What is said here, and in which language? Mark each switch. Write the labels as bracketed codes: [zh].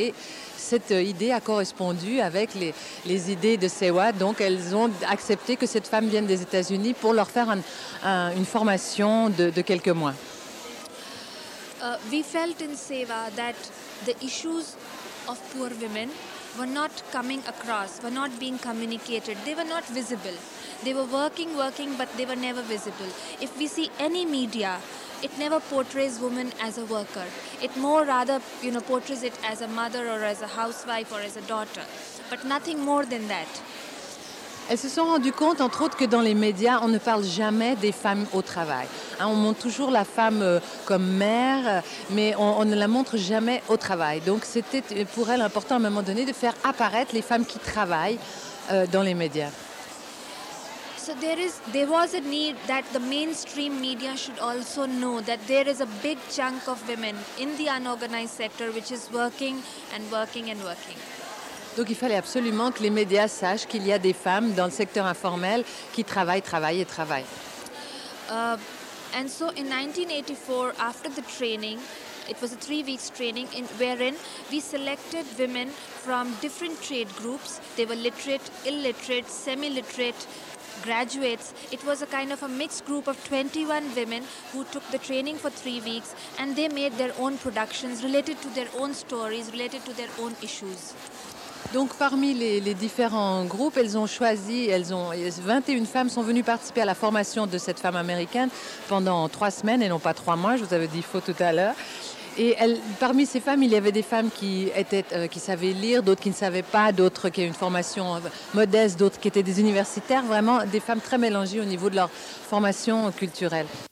[fr] Et cette idée a correspondu avec les idées de Sewa, donc elles ont accepté que cette femme vienne des États-Unis pour leur faire une formation de quelques mois. [en] We felt in Sewa that the issues of poor women were not coming across, were not being communicated. They were not visible. They were working, but they were never visible. If we see any media, it never portrays women as a worker. It more rather, you know, portrays it as a mother or as a housewife or as a daughter. But nothing more than that. [fr] Elles se sont rendues compte, entre autres, que dans les médias, on ne parle jamais des femmes au travail. Hein, on montre toujours la femme comme mère, mais on ne la montre jamais au travail. Donc c'était pour elle important, à un moment donné, de faire apparaître les femmes qui travaillent dans les médias. [en] So there was a need that the mainstream media should also know that there is a big chunk of women in the unorganized sector which is working and working and working. [fr] Donc il fallait absolument que les médias sachent qu'il y a des femmes dans le secteur informel qui travaillent. [en] And so in 1984, after the training, it was a 3 weeks training in wherein we selected women from different trade groups. They were literate, illiterate, semi-literate, graduates. It was a kind of a mixed group of 21 women who took the training for 3 weeks and they made their own productions related to their own stories, related to their own issues. [fr] Donc parmi les différents groupes, elles ont choisi 21 femmes sont venues participer à la formation de cette femme américaine pendant 3 semaines et non pas 3 mois, je vous avais dit faux tout à l'heure. Et parmi ces femmes, il y avait des femmes qui savaient lire, d'autres qui ne savaient pas, d'autres qui avaient une formation modeste, d'autres qui étaient des universitaires, vraiment des femmes très mélangées au niveau de leur formation culturelle.